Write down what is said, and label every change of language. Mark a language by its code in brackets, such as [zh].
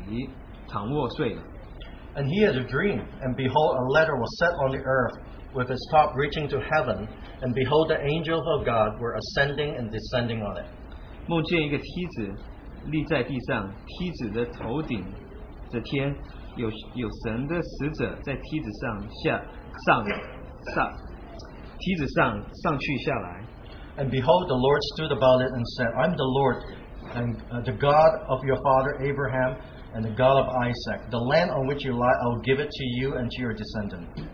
[zh] 向哈兰去，到了一个地方，因为太阳落了，就在那里住宿，便拾起那地方的一块石头，枕在头下，在那里躺卧睡了。 [en] And he had a dream, and behold, a letter was set on the earth, with its top reaching to heaven, and behold, the angels of God were ascending and descending on it. [zh] 梦见一个梯子立在地上，梯子的头顶的天，有神的使者在梯子上下。梯子上上去下来。 [en] And behold, the Lord stood about it and said, I'm the Lord, and the God of your father Abraham, and the God of Isaac. The land on which you lie, I will give it to you and to your descendant.